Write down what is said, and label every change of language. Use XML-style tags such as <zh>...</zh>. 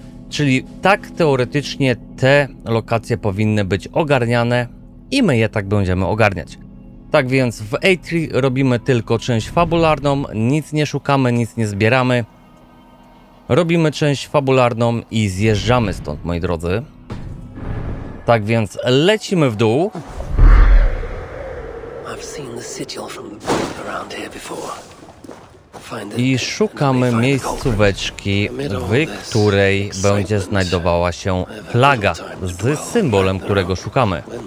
<pl>Czyli tak teoretycznie te lokacje powinny być ogarniane i my je tak będziemy ogarniać. Tak więc w A3 robimy tylko część fabularną, nic nie szukamy, nic nie zbieramy. Robimy część fabularną i zjeżdżamy stąd, moi drodzy. Tak więc lecimy w dół.</pl> <en>I've seen the city from around here before.</en> <pl>i szukam miejscóweczki, w której będzie znajdowała się flaga z symbolem, którego szukamy.</pl>